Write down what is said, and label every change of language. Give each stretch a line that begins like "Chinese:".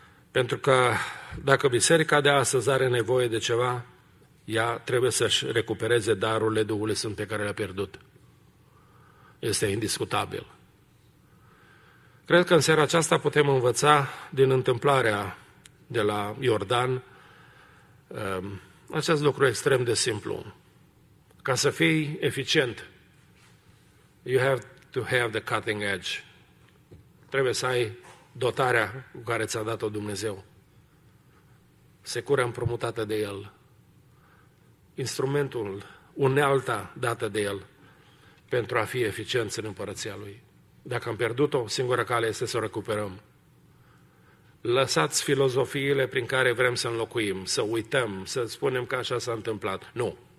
Romanian: Pentru că dacă biserica de astăzi are nevoie de ceva, ea trebuie să-și recupereze darurile Duhului Sfânt pe care le-a pierdut. Este indiscutabil. Cred că în seara aceasta putem învăța din întâmplarea de la Iordan acest lucru extrem de simplu. Ca să fii eficient,
English: you have to have the cutting edge.
Romanian: Trebuie să ai dotarea cu care ți-a dat-o Dumnezeu, secură împrumutată de El, instrumentul, unealta dată de El pentru a fi eficient în împărăția Lui. Dacă am pierdut-o, singura cale este să o recuperăm. Lăsați filozofiile prin care vrem să înlocuim, să uităm, să spunem că așa s-a întâmplat. Nu.